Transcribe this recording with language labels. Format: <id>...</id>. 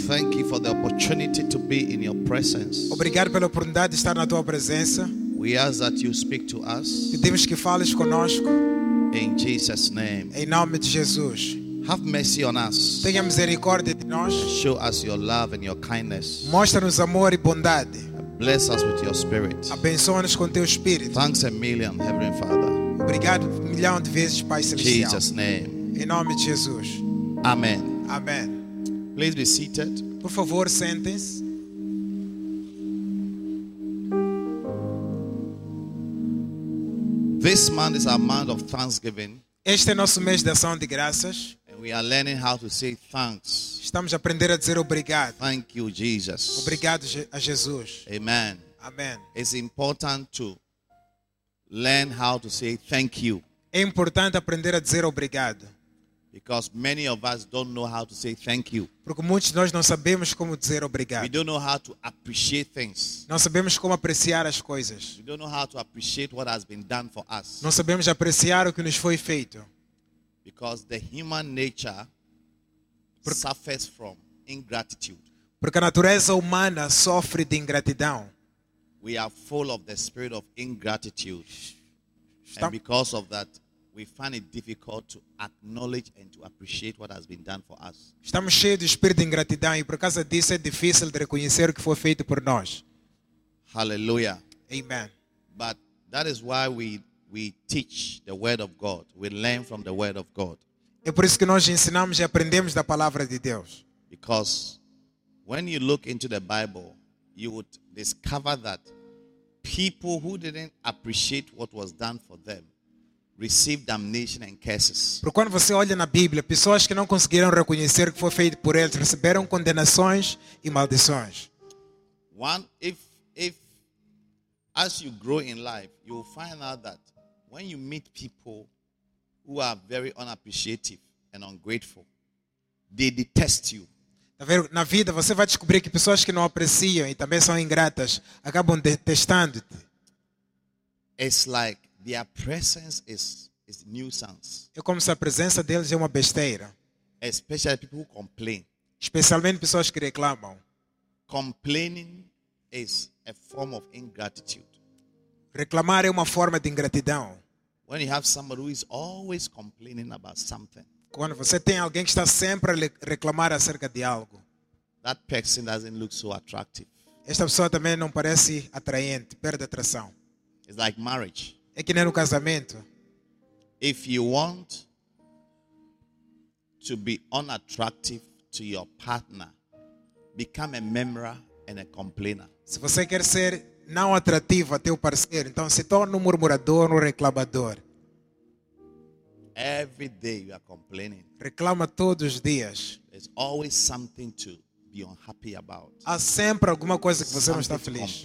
<en>Thank you for the opportunity to be in your presence.</en> <pt>Obrigado pela oportunidade de estar na tua presença.</pt> <en>We ask that you speak to us.</en> <pt>Pedimos que fales conosco.</pt> <en>In Jesus' name.</en> <pt>Em nome de Jesus.</pt> <en>Have mercy on us.</en> <pt>Tenha misericórdia de nós.</pt> <en>Show us your love and your kindness.</en> <pt>Mostra-nos amor e bondade.</pt> <en>Bless us with your spirit.</en> <pt>Abençoa-nos com teu espírito.</pt> <en>Thanks a million, Heavenly Father.</en> <pt>Obrigado milhão de vezes, Pai Celestial.</pt> <en>Jesus' name.</en> <pt>Em nome de Jesus.</pt> <en>Amen.</en> <pt>Amen.</pt> <en>Please be seated.</en> <pt>Por favor, sentem-se.</pt> <en>This month is our month of thanksgiving.</en> <pt>Este é nosso mês de ação de graças.</pt> <en>And we are learning how to say thanks.</en> <pt>Estamos a aprender a dizer obrigado.</pt> <en>Thank you, Jesus.</en> <pt>Obrigado a Jesus.</pt> <en>Amen.</en> <pt>Amen.</pt> <en>It's important to learn how to say thank you.</en> <pt>É importante aprender a dizer obrigado.</pt> <en>Because many of us don't know how to say thank you.</en> <pt>Porque muitos de nós não sabemos como dizer obrigado.</pt> <en>We don't know how to appreciate things.</en> <pt>Não sabemos como apreciar as coisas.</pt> <en>We don't know how to appreciate what has been done for us.</en> <pt>Não sabemos apreciar o que nos foi feito.</pt> <en>Because the human nature suffers from ingratitude.</en> <pt>Porque a natureza humana sofre de ingratidão.</pt> <en>We are full of the spirit of ingratitude. And because of that, we find it difficult to acknowledge and to appreciate what has been done for us.</en> <pt>Estamos cheios de espírito de ingratidão e por causa disso é difícil de reconhecer o que foi feito por nós.</pt> <en>Hallelujah. Amen. But that is why we teach the word of God. We learn from the word of God.</en> <pt>É por isso que nós ensinamos e aprendemos da palavra de Deus.</pt> <en>Because when you look into the Bible, you would discover that people who didn't appreciate what was done for them received damnation and curses.</en> <pt>Porque quando você olha na Bíblia, pessoas que não conseguiram reconhecer o que foi feito por eles receberam condenações e maldições.</pt> <en>One, if as you grow in life, you will find out that when you meet people who are very unappreciative and ungrateful, they detest you.</en> <pt>Na vida, você vai descobrir que pessoas que não apreciam e também são ingratas acabam detestando-te.</pt> <en>It's like their presence is nuisance.</en> <pt>É como se a presença deles é uma besteira.</pt> <en>Especially people who complain.</en> <pt>Especialmente pessoas que reclamam.</pt> <en>Complaining is a form of ingratitude.</en> <pt>Reclamar é uma forma de ingratidão.</pt> <en>When you have somebody who is always complaining about something.</en> <pt>Quando você tem alguém que está sempre a reclamar acerca de algo.</pt> <en>That person doesn't look so attractive.</en> <pt>Esta pessoa também não parece atraente, perde atração.</pt> <en>It's like marriage.</en> <pt>É que nem no casamento.</pt> <en>If you want to be unattractive to your partner, become a murmurer and a complainer.</en> <pt>Se você quer ser não atrativo a teu parceiro, então se torna um murmurador, um reclamador.</pt> <en>Every day you are complaining.</en> <pt>Reclama todos os dias.</pt> <en>There's always something to be unhappy about.</en> <pt>Há sempre alguma coisa que você não está feliz.</pt>